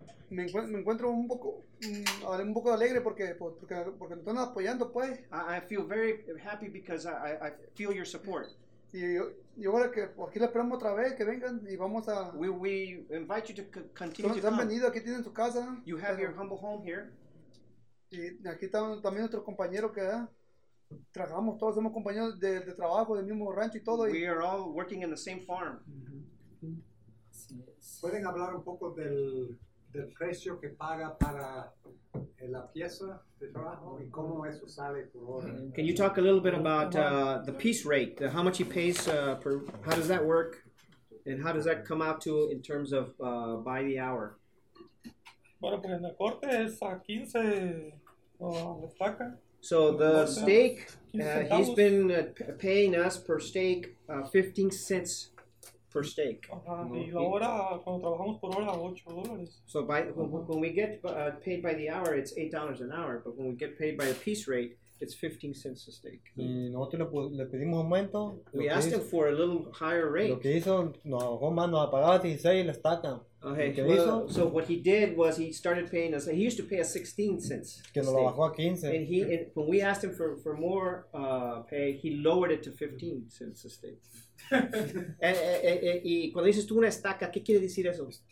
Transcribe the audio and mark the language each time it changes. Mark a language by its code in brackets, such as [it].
[es] Me encuentro un poco alegre porque me están apoyando, pues. [en] I feel very happy because I feel your support. We invite you to continue to come. [es] Venido, aquí tienen tu casa. [en] You have your humble home here. [es] Y aquí están también nuestros compañeros que trabajamos todos, somos compañeros de trabajo, del mismo rancho y todo. [en] We are all working in the same farm. [es] ¿Pueden hablar un poco del precio que paga para la pieza de trabajo y cómo eso sale por hora? [en] Can you talk a little bit about the piece rate, how much he pays per, how does that work, and how does that come out to in terms of by the hour? [es] Bueno, pues en el corte es a 15 la estaca. [en] So the steak, he's been paying us per steak 15 cents per steak. [es] Uh-huh. Y la hora, cuando trabajamos por hora, $8. [en] So by, when we get paid by the hour, it's $8 an hour. But when we get paid by the piece rate, it's 15 cents a steak. [es] Y nosotros le pedimos aumento. [en] We asked him for a little higher rate. [es] Lo que hizo, nos pagaba 16 la estaca. [en] Okay, so what he did was he started paying us. He used to pay us 16 cents. [es] Que nos lo bajó a 15. [en] And when we asked him for more pay, he lowered it to 15 cents a steak. [es] Y cuando dices tú una estaca, ¿qué quiere decir eso?